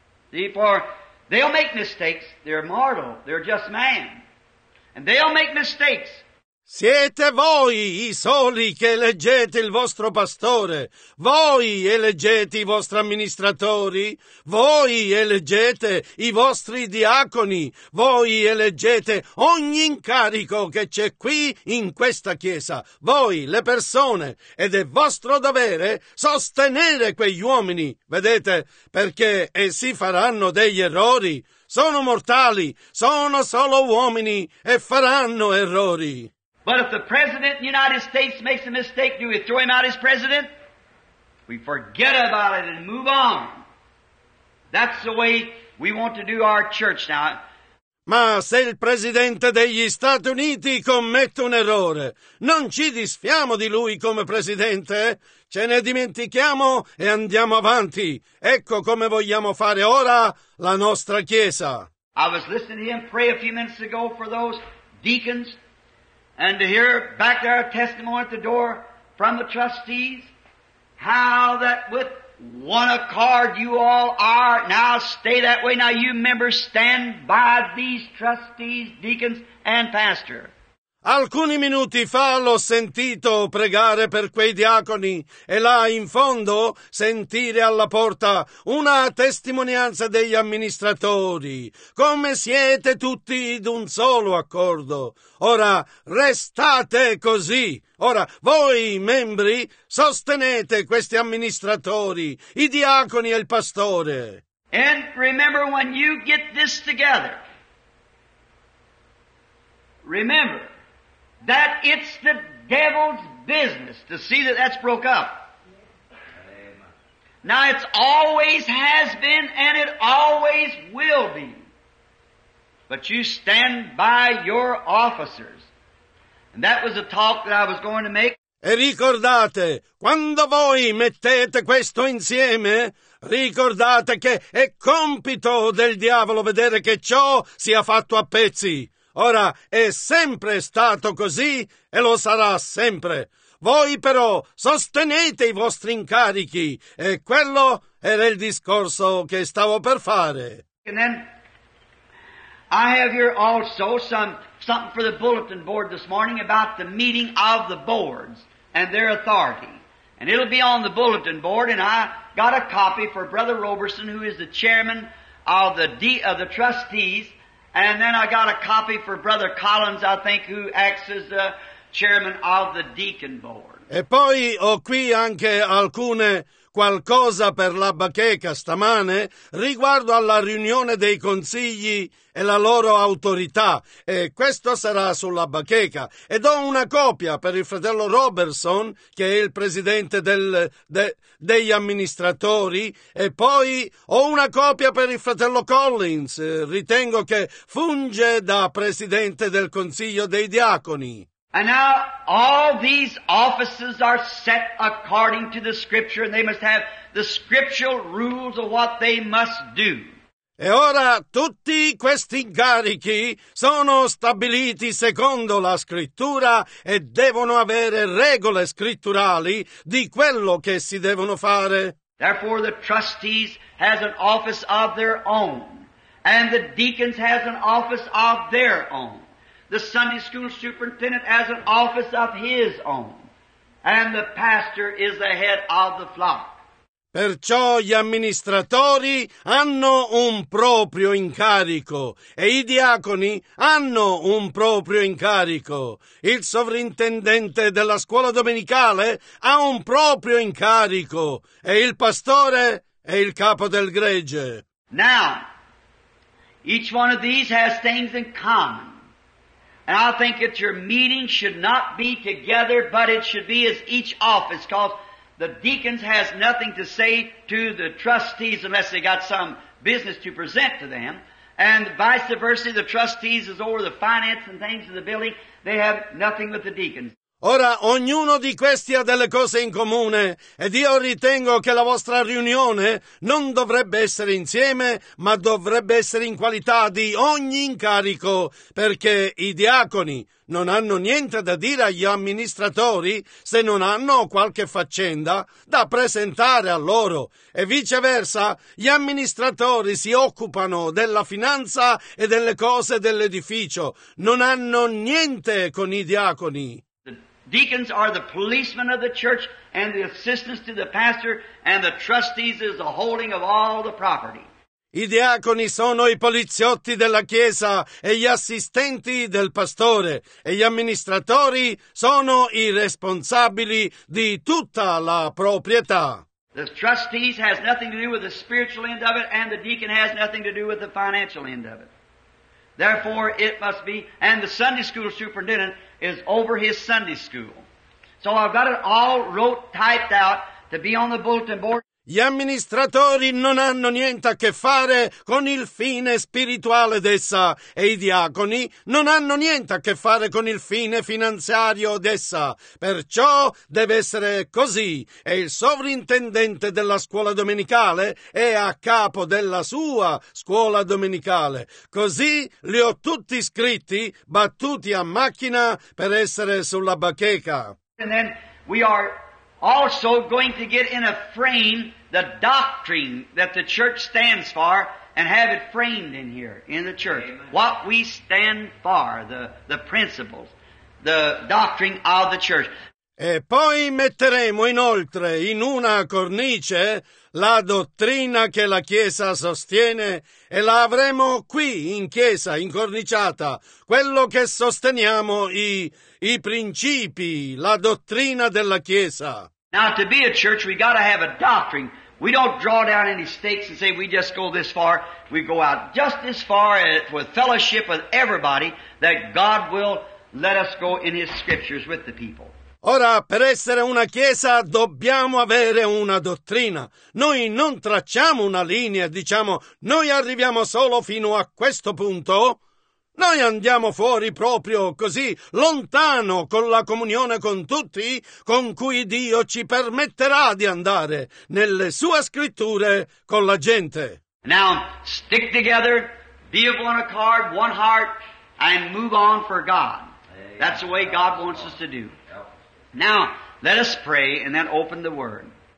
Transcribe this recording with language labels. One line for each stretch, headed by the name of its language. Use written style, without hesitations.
English: See, for they'll make mistakes, they're mortal, they're just man. And they'll make mistakes.
Italian: Siete voi i soli che eleggete il vostro pastore, voi eleggete i vostri amministratori, voi eleggete i vostri diaconi, voi eleggete ogni incarico che c'è qui in questa chiesa, voi le persone, ed è vostro dovere sostenere quegli uomini, vedete, perché essi faranno degli errori, sono mortali, sono solo uomini e faranno errori.
English: But if the President of the United States makes a mistake, do we throw him out as President? We forget about it and move on. That's the way we want to do our church now.
Italian: Ma se il Presidente degli Stati Uniti commette un errore, non ci disfiamo di lui come Presidente? Ce ne dimentichiamo e andiamo avanti. Ecco come vogliamo fare ora la nostra Chiesa.
English: I was listening to him pray a few minutes ago for those deacons. And to hear back there a testimony at the door from the trustees, how that with one accord you all are, now stay that way, now you members stand by these trustees, deacons, and pastor.
Italian: Alcuni minuti fa l'ho sentito pregare per quei diaconi e là in fondo sentire alla porta una testimonianza degli amministratori. Come siete tutti d'un solo accordo. Ora restate così. Ora voi membri sostenete questi amministratori, i diaconi e il pastore.
English: And remember when you get this together. Remember. That it's the devil's business to see that that's broke up. Amen. Now it's always has been and it always will be. But you stand by your officers. And that was a talk that I was going to make.
Italian: E ricordate, quando voi mettete questo insieme, ricordate che è compito del diavolo vedere che ciò sia fatto a pezzi. Ora, è sempre stato così e lo sarà sempre. Voi però sostenete i vostri incarichi. E quello era il discorso che stavo per fare.
English: And then I have here also something for the bulletin board this morning about the meeting of the boards and their authority. And it'll be on the bulletin board and I got a copy for Brother Roberson who is the chairman of the trustees. And then I got a copy for Brother Collins, I think, who acts as the chairman of the deacon board.
Italian: E poi ho qui anche alcune qualcosa per la bacheca stamane riguardo alla riunione dei consigli e la loro autorità. E questo sarà sulla bacheca. E do una copia per il fratello Robertson, che è il presidente degli amministratori. E poi ho una copia per il fratello Collins. Ritengo che funge da presidente del consiglio dei diaconi.
English: And now all these offices are set according to the scripture and they must have the scriptural rules of what they must do.
Italian: E ora tutti questi incarichi sono stabiliti secondo la scrittura e devono avere regole scritturali di quello che si devono fare.
English: Therefore the trustees has an office of their own and the deacons has an office of their own. The Sunday school superintendent has an office of his own, and the pastor is the head of the flock.
Italian: Perciò gli amministratori hanno un proprio incarico e i diaconi hanno un proprio incarico. Il sovrintendente della scuola domenicale ha un proprio incarico e il pastore è il capo del gregge.
English: Now, each one of these has things in common. And I think that your meeting should not be together, but it should be as each office, because the deacons has nothing to say to the trustees unless they got some business to present to them. And vice versa, the trustees is over the finance and things of the building. They have nothing with the deacons.
Italian: Ora, ognuno di questi ha delle cose in comune, ed io ritengo che la vostra riunione non dovrebbe essere insieme, ma dovrebbe essere in qualità di ogni incarico, perché i diaconi non hanno niente da dire agli amministratori se non hanno qualche faccenda da presentare a loro, e viceversa, gli amministratori si occupano della finanza e delle cose dell'edificio, non hanno niente con i diaconi.
English: Deacons are the policemen of the church and the assistants to the pastor, and the trustees is the holding of all the property.
Italian: I diaconi sono i poliziotti della chiesa e gli assistenti del pastore, e gli amministratori sono i responsabili di tutta la proprietà.
English: The trustees has nothing to do with the spiritual end of it, and the deacon has nothing to do with the financial end of it. Therefore, it must be, and the Sunday school superintendent is over his Sunday school. So I've got it all wrote, typed out to be on the bulletin board.
Italian: Gli amministratori non hanno niente a che fare con il fine spirituale d'essa, e i diaconi non hanno niente a che fare con il fine finanziario d'essa. Perciò deve essere così, e il sovrintendente della scuola domenicale è a capo della sua scuola domenicale. Così li ho tutti scritti, battuti a macchina per essere sulla bacheca.
English: And then we are also going to get in a frame the doctrine that the church stands for and have it framed in here, in the church. Amen. What we stand for, the principles, the doctrine of the church.
Italian: E poi metteremo inoltre in una cornice la dottrina che la Chiesa sostiene, e la avremo qui in Chiesa, incorniciata, quello che sosteniamo, i principi, la dottrina della Chiesa.
English: Now, to be a church, we got to have a doctrine. We don't draw down any stakes and say we just go this far. We go out just as far with fellowship with everybody that God will let us go in His scriptures with the people.
Italian: Ora, per essere una chiesa dobbiamo avere una dottrina. Noi non tracciamo una linea, diciamo, noi arriviamo solo fino a questo punto. Noi andiamo fuori proprio così, lontano con la comunione con tutti, con cui Dio ci permetterà di andare nelle sue scritture con la gente.
English: Now, stick together, be of one accord, one heart, and move on for God. That's the way God wants us to do. Now, let us pray and then open the Word.